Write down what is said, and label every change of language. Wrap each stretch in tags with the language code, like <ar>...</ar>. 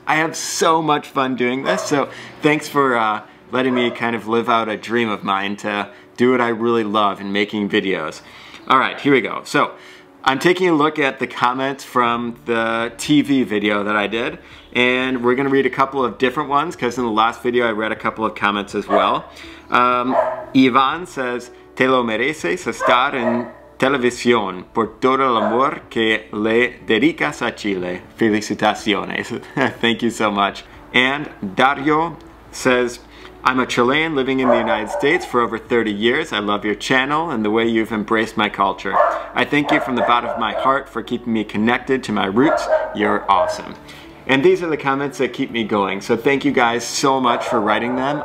<en>I have so much fun doing this, so thanks for letting me kind of live out a dream of mine to do what I really love in making videos. All right, here we go. So I'm taking a look at the comments from the TV video that I did, and we're going to read a couple of different ones because in the last video I read a couple of comments as well. Ivan says,</en> <es>te lo mereces estar en televisión por todo el amor que le dedicas a Chile. Felicitaciones.</es> <en>Thank you so much. And Dario says, I'm a Chilean living in the United States for over 30 years. I love your channel and the way you've embraced my culture. I thank you from the bottom of my heart for keeping me connected to my roots. You're awesome. And these are the comments that keep me going. So thank you guys so much for writing them.</en>